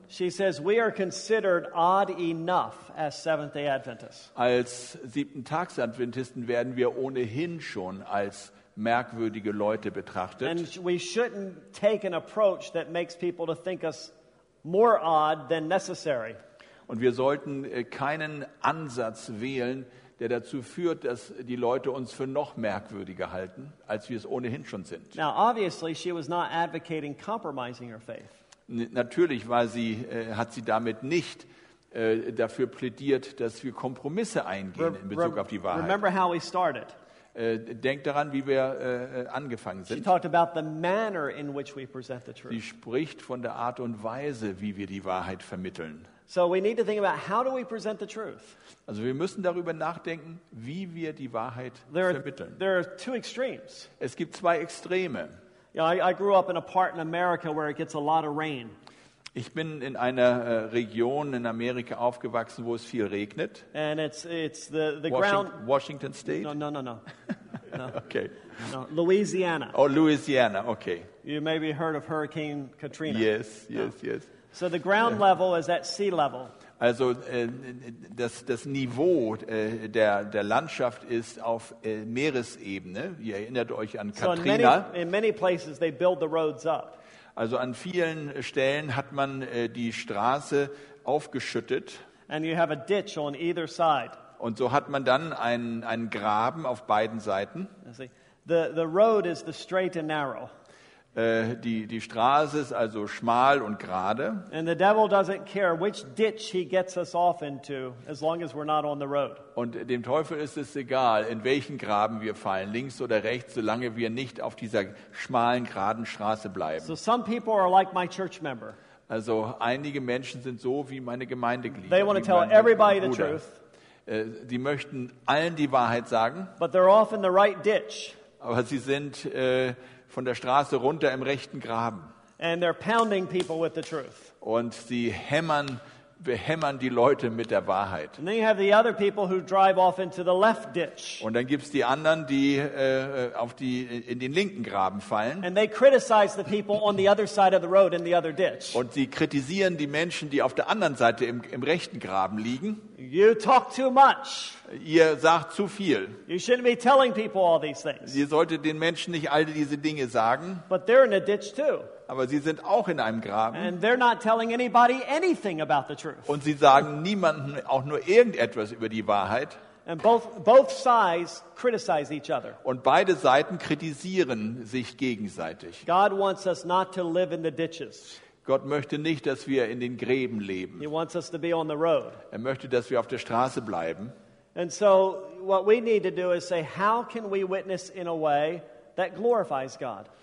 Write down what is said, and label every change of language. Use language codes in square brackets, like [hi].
[en] She says, we are considered odd enough as Seventh-day Adventists. [de] Als Siebten-Tags-Adventisten werden wir ohnehin schon als merkwürdige Leute betrachtet. [en] And we shouldn't take an approach that makes people to think us more odd than necessary. [de] Und wir sollten keinen Ansatz wählen, der dazu führt, dass die Leute uns für noch merkwürdiger halten, als wir es ohnehin schon sind. [en] Now, obviously, she was not advocating compromising her faith. [de] Natürlich war sie, hat sie damit nicht dafür plädiert, dass wir Kompromisse eingehen in Bezug auf die Wahrheit. [en] Remember how we started. [de] Denk daran, wie wir angefangen sind. [en] She talked about the manner in which we present the truth. [de] Sie spricht von der Art und Weise, wie wir die Wahrheit vermitteln. [en] So we need to think about how do we present the truth. [de] Also wir müssen darüber nachdenken, wie wir die Wahrheit vermitteln. [en] There are two extremes. [de] Es gibt zwei Extreme. [en] Yeah, I grew up in a part in America where it gets a lot of rain. [de] Ich bin in einer Region in Amerika aufgewachsen, wo es viel regnet. [en] And it's the ground. Washington State. No. Okay. No, Louisiana. Oh, Louisiana. Okay. You maybe heard of Hurricane Katrina. Yes. So the ground level is at sea level. [de] Also das Niveau der Landschaft ist auf Meeresebene. Ihr erinnert euch an Katrina. [en] So in many places they build the roads up. [de] Also an vielen Stellen hat man die Straße aufgeschüttet. [en] And you have a ditch on either side. [de] Und so hat man dann einen Graben auf beiden Seiten. [en] The road is the straight and narrow. [de] Die Straße ist also schmal und gerade. [en] And the devil doesn't care which ditch he gets us off into, as long as we're not on the road. [de] Und dem Teufel ist es egal, in welchen Graben wir fallen, links oder rechts, solange wir nicht auf dieser schmalen, geraden Straße bleiben. [en] So some people are like my church member. [de] Also einige Menschen sind so wie meine Gemeindeglieder. [en] They want to tell everybody the truth. [de] Die möchten allen die Wahrheit sagen. [en] But they're off in the right ditch. [de] Aber sie sind von der Straße runter im rechten Graben. [en] And they're pounding people with the truth. [de] Und sie behämmern die Leute mit der Wahrheit. [en] And then you have the other people who drive off into the left ditch. [de] Und dann gibt's die anderen, die in den linken Graben fallen. [en] And they criticize the people on the other side of the road in the other ditch. [de] Und sie kritisieren die Menschen, die auf der anderen Seite im rechten Graben liegen. [en] You talk too much. [de] Ihr sagt zu viel. [en] You shouldn't be telling people all these things. [de] Ihr solltet den Menschen nicht all diese Dinge sagen. [en] But they're in a ditch too. [de] Aber sie sind auch in einem Graben. [en] And they're not telling anybody anything about the truth. [de] Und sie sagen niemandem auch nur irgendetwas über die Wahrheit. [en] And both sides criticize each other. [de] Und beide Seiten kritisieren sich gegenseitig. [en] God wants us not to live in the ditches. [de] Gott möchte nicht, dass wir in den Gräben leben. [en] He wants us to be on the road. [de] Er möchte, dass wir auf der Straße bleiben. [en] And so what we need to do is say, how can we witness in a way that glorifies God?